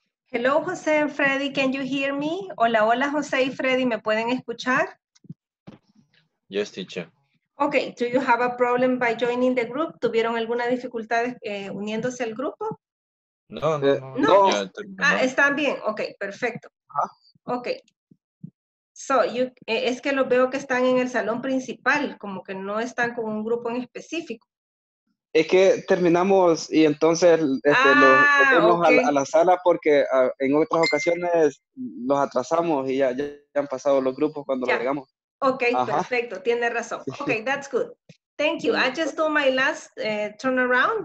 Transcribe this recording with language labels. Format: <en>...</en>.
<en>Hello, José y Freddy, can you hear me?</en> <es>Hola, hola, José y Freddy, ¿me pueden escuchar?</es> <en>Yes, teacher. Okay, do you have a problem by joining the group?</en> <es>¿Tuvieron alguna dificultad uniéndose al grupo? No. Ah, están bien, okay, perfecto. Okay. So, es que los veo que están en el salón principal, como que no están con un grupo en específico. Es que terminamos y entonces a la sala porque en otras ocasiones los atrasamos y ya han pasado los grupos cuando ya. Lo llegamos. Ok, perfecto, tiene razón. Ok,</es> <en>that's good. Thank you. I just do my last turnaround.</en>